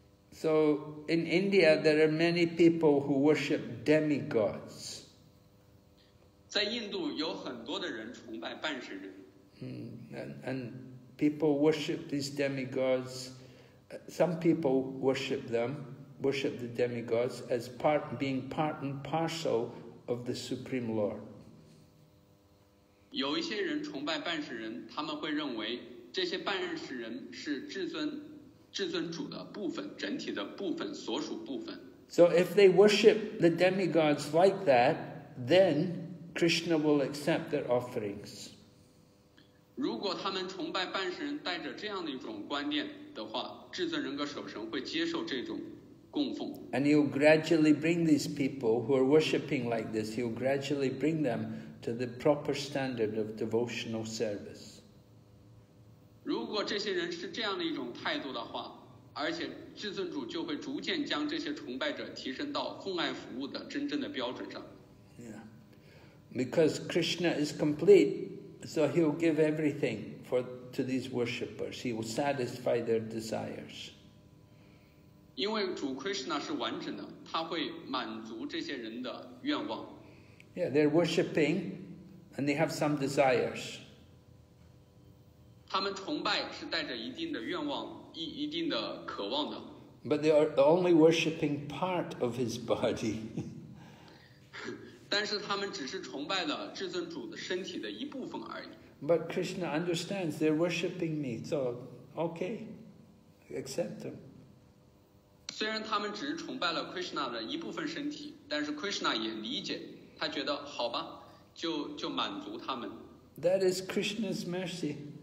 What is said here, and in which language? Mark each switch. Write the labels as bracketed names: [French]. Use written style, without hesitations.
[English] So, in India, there are many people who worship demigods. [Chinese] 在印度有很多的人崇拜半神人。 [English] And people worship these demigods. Some people worship the demigods as part and parcel of the Supreme Lord. [Chinese] 有一些人崇拜半神人，他们会认为这些半神人是至尊主的部分，整体的部分，所属部分。 [English] So if they worship the demigods like that, then Krishna will accept their offerings. [Chinese] 如果他们崇拜半神人带着这样的一种观念的话，至尊人格守神会接受这种供奉。 [English] And he'll gradually bring these people who are worshipping like this, he'll gradually bring them to the proper standard of devotional service. [Chinese] 如果这些人是这样的一种态度的话，而且至尊主就会逐渐将这些崇拜者提升到奉爱服务的真正的标准上。 [English] Yeah. Because Krishna is complete,So he'll give everything to these worshippers. He will satisfy their desires. [Chinese] 因为主 Krishna 是完整的，他会满足这些人的愿望。 [English] Yeah, they're worshipping, and they have some desires. [Chinese] 他们崇拜是带着一定的愿望，一定的渴望的。 [English] But they are only worshipping part of his body. [Chinese] 但是他们只是崇拜了至尊主的身体的一部分而已。 [English] But Krishna understands they're worshipping me, so okay, accept them. [Chinese] 虽然他们只是崇拜了 Krishna 的一部分身体，但是 Krishna 也理解，他觉得好吧，就满足他们。 [English] That is Krishna's mercy.